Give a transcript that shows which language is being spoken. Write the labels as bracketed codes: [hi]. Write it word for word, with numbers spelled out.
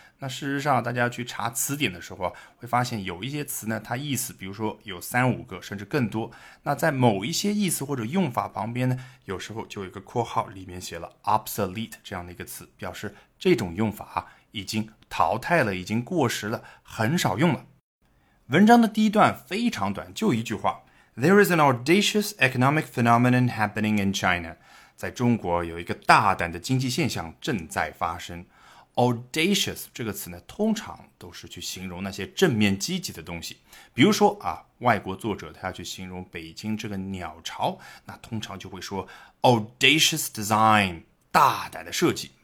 [zh] 那事实上大家去查词典的时候，啊，会发现有一些词呢，它意思比如说有三五个甚至更多，那在某一些意思或者用法旁边呢，有时候就有一个括号，里面写了 obsolete 这样的一个词，表示这种用法，啊，已经淘汰了，已经过时了，很少用了。文章的第一段非常短，就一句话 [en] There is an audacious economic phenomenon happening in China. [zh] 在中国有一个大胆的经济现象正在发生。 audacious 这个词呢，通常都是去形容那些正面积极的东西。比如说啊，外国作者他要去形容北京这个鸟巢，那通常就会说 audacious design， 大胆的设计。